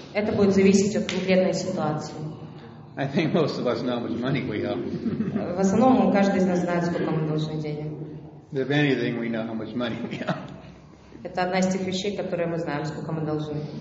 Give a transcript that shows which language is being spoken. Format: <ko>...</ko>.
<ru>Это будет зависеть от конкретной ситуации.</ru> <en>I think most of us know how much money we owe.</en> <ru>В основном каждый из нас знает, сколько мы должны денег.</ru> <en>If anything, we know how much money we owe.</en> <ru>Это одна из тех вещей, которые мы знаем, сколько мы должны.</ru>